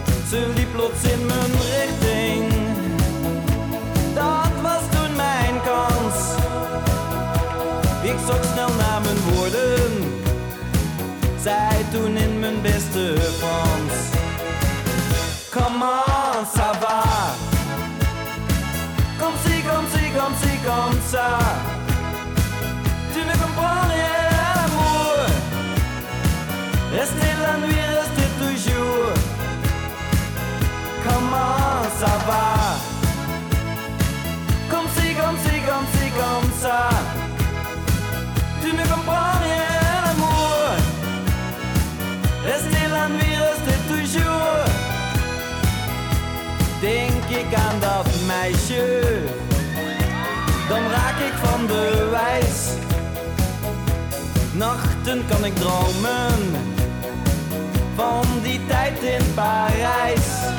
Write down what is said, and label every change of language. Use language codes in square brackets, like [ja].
[nl] Ze liep plots in mijn richting. Dat was toen mijn kans. Ik zocht snel naar mijn woorden, zei toen in mijn beste Frans. [fr] Comment ça va? Comme si, comme si, comme si, comme ça. Tu ne comprends rien à l'amour. Restez la nuit, restez toujours. Comment ça va? Comme si, comme si, comme si, comme ça. Tu ne comprends rien à l'amour. Restez la nuit, restez toujours. [nl] Denk ik aan dat meisje, dan raak ik van de wijs. Nachten kan ik dromen van die tijd in Parijs.